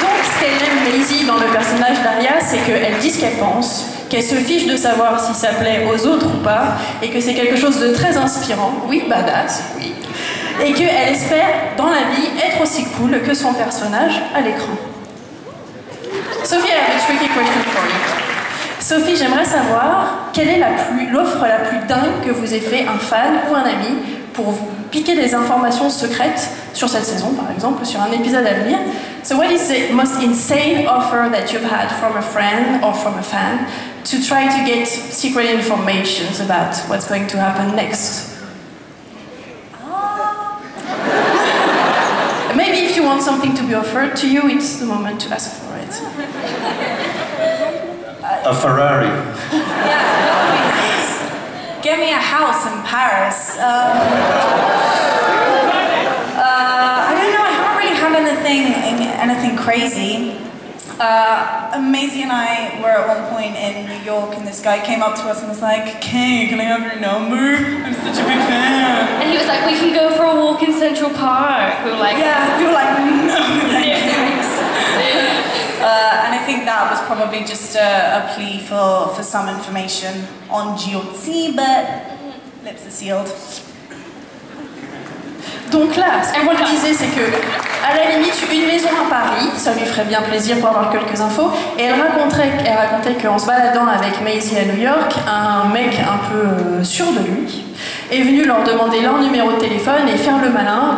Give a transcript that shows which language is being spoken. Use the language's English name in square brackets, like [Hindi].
[French] Donc, ce qu'elle aime Maisie dans le personnage d'Aria, c'est qu'elle dit ce qu'elle pense, qu'elle se fiche de savoir si ça plaît aux autres ou pas, et que c'est quelque chose de très inspirant. Oui, badass, oui. Et qu'elle espère, dans la vie, être aussi cool que son personnage à l'écran. [English] Sophie, I have a tricky question for you. [French] Sophie, j'aimerais savoir quelle est l'offre la plus dingue que vous ait fait un fan ou un ami pour vous piquer des informations secrètes sur cette saison, par exemple, sur un épisode à venir. [English] So what is the most insane offer that you've had from a friend or from a fan to try to get secret information about what's going to happen next? Maybe if you want something to be offered to you, it's the moment to ask for it. A Ferrari. Yeah, that would be nice. Get me a house in Paris. I don't know, I haven't really had anything crazy. Maisie and I were at one point in New York and this guy came up to us and was like, "Kay, can I have your number? I'm such a big fan." And he was like, "We can go for a walk in Central Park." We were like, "Yeah." We were like, "No, thanks." And I think that was probably just a plea for some information on GOT, but lips are sealed. [French] Donc là, ce qu'on disait, c'est que, à la limite, une maison à Paris, ça lui ferait bien plaisir pour avoir quelques infos. Et elle racontait qu'en se baladant avec Maisie à New York, un mec un peu sûr de lui est venu leur demander leur numéro de téléphone et faire le malin.